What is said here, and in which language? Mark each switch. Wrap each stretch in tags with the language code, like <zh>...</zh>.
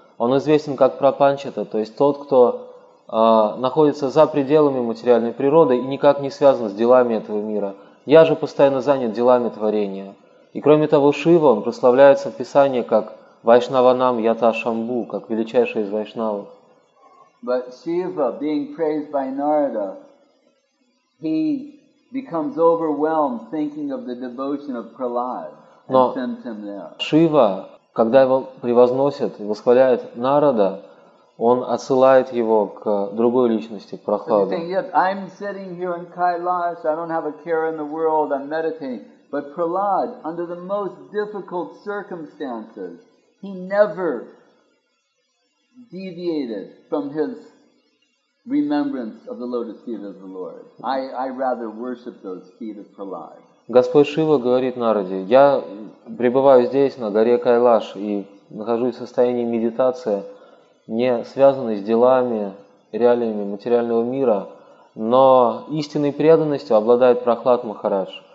<ru>Он известен как Прапанчита, то есть тот, кто находится за пределами материальной природы и никак не связан с делами этого мира. Я же постоянно занят делами творения. И кроме того, Шива, он прославляется в Писании как Вайшнаванам Ята Шамбу, как величайший из вайшнавов.</ru> <en>But Shiva, being praised by Narada, he becomes overwhelmed thinking of the devotion of Prahlad and sends him there.</en> <ru>Шива, когда его превозносят и восхваляет Нарада, он отсылает его к другой личности, к Прахладу.</ru> <en>So you think, yes, I'm sitting here in Kailash, I don't have a care in the world, I'm meditating. But Prahlad, under the most difficult circumstances, he never deviated from his remembrance of the lotus feet of the Lord. I rather worship those feet of Prahlad.</en> <ru>Господь Шива говорит Нараде, я пребываю здесь, на горе Кайлаш, и нахожусь в состоянии медитации, не связанной с делами, реалиями материального мира, но истинной преданностью обладает Прахлад Махарадж.</ru>